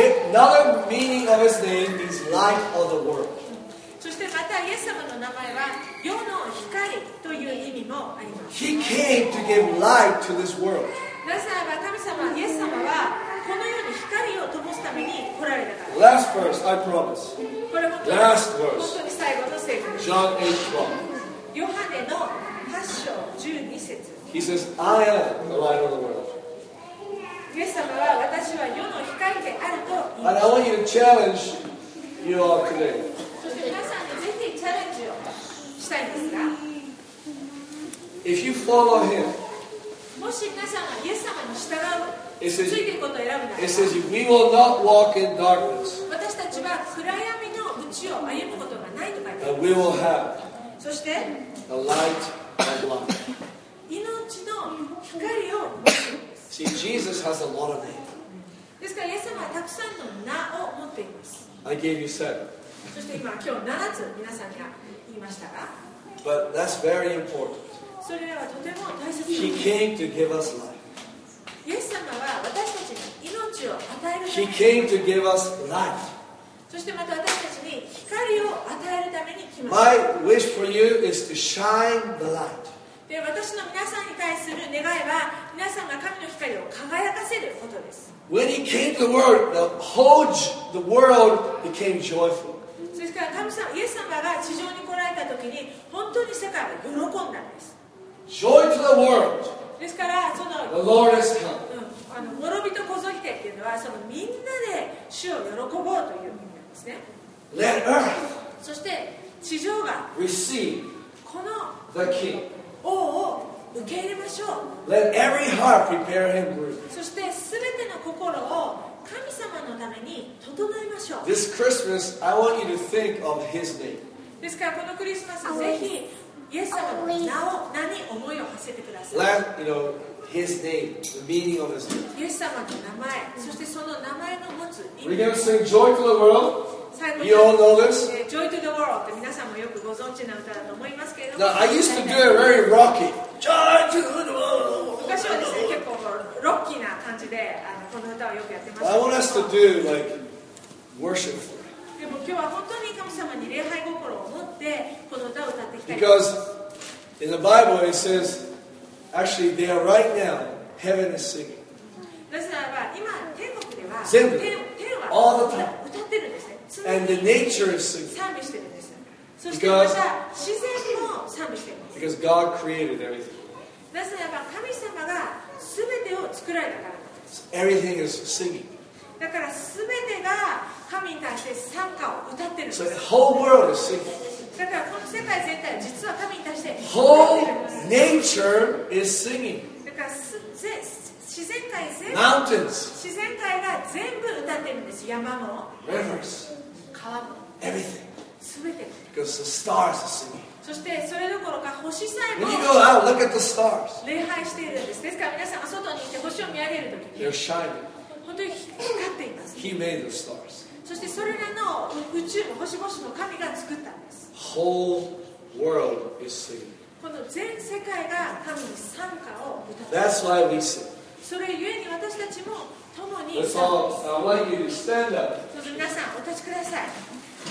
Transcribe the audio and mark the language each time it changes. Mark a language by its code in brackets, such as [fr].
[en] Another meaning of his name is light of the world. [ja] そしてまたイエス様の名前は世の光という意味もあります。 [en] He came to give light to this world. [ja] なぜならば神様、イエス様はこの世に光を灯すために来られたから。 [en] Last verse, I promise. Last verse. John 8:12. [ja] ヨハネの8章12節。 [en] He says, I am the light of the world. [ja] イエス様は私は世の光であると言います。 [en] And I want you to challenge you all today. [ja] そして皆さんにぜひチャレンジをしたいんですか? [en] If you follow him, [ja] もし皆さんがイエス様に従う、 [en] It says, we will not walk in darkness. [ja] 私たちは暗闇の道を歩むことがないと書いてある。 [en] But we will have [ja] そして [en] the light of life. [ja] 命の光を持っています [en] 。 See, Jesus has a lot of names. [ja] ですからイエス様はたくさんの名を持っています。 [en] I gave you seven. [ja] そして今日7つ皆さんが言いましたが。 [en] But that's very important. [ja] それはとても大切です。 [en] He came to give us life. [ja] イエス様は私たちに命を与えるために [en] He came to give us life. [ja] そしてまた私たちに光を与えるために来ました。 [en] My wish for you is to shine the light. [ja] で、私の皆さんに対する願いは皆さんが神の光を輝かせることです。 [en] When he came to the world, the world became joyful. [ja] ですから神様、イエス様が地上に来られた時に本当に世界は喜んだんです。 [en] Joy to the world. [ja] ですからその [en] The Lord has come. [ja] もろびとこぞきてっていうのはそのみんなで主を喜ぼうという意味なんですね。 [en] Let earth [ja] そして地上が [en] receive [ja] この [en] the king. [ja] 王を受け入れましょう。 [en] Let every heart prepare him room. [ja] そしてすべての心を神様のために整えましょう。 [en] This Christmas, I want you to think of his name. [ja] ですからこのクリスマスぜひイエス様の名を何思いを馳せてください。 [en] Let, you know, his name, the meaning of his name. [ja] イエス様の名前、そしてその名前の持つ意味。 [en] We're gonna sing Joy to the World. You all know this. [ja] Joy to the World って皆さんもよくご存知な歌だと思いますけれども。 [en] Now I used to do it very rocky. Joy to the World. [ja] 昔はですね、結構ロッキーな感じでこの歌をよくやってました。 [en] I want us to do like worship. [ja] でも今日は本当に神様に礼拝心を持ってこの歌を歌っていきたいと。 [en] Because in the Bible it says actually they are right now heaven is singing. [ja] なぜならば今天国では全部天は [en] all the time. [ja] 歌ってるんですね。 [en] And the nature is singing. [ja] 賛美してるんです。そしてまた自然も賛美しています。 [en] Because God created everything. [ja] なぜならば神様が全てを作られたからです。 [en] So everything is singing. [ja] だから全てが神に対して賛歌を歌ってるんです。 [en] So the whole world is singing. [ja] だからこの世界全体は実は神に対して歌ってるんです。 [en] Whole nature is singing. [ja] だから自然界全部 [en] Mountains. [ja] 自然界が全部歌ってるんです。山も [en] Rivers. [ja] 川も [en] Everything. [ja] 全て。 [en] Because the stars are singing. [ja] そしてそれどころか星さえも [en] When you go out, look at the stars. [ja] 礼拝しているんです。ですから皆さんが外にいて星を見上げるとき [en] They're shining. [ja] 本当に光っています。 [en] He made the stars. [ja] そしてそれらの宇宙の星々の神が作ったんです。 [en] Whole world is singing. [ja] この全世界が神に賛歌を歌った。 [en] That's why we sing. [ja] それゆえに私たちも共に [en] Let's all, I want you to stand up. [ja] そして皆さんお立ちください。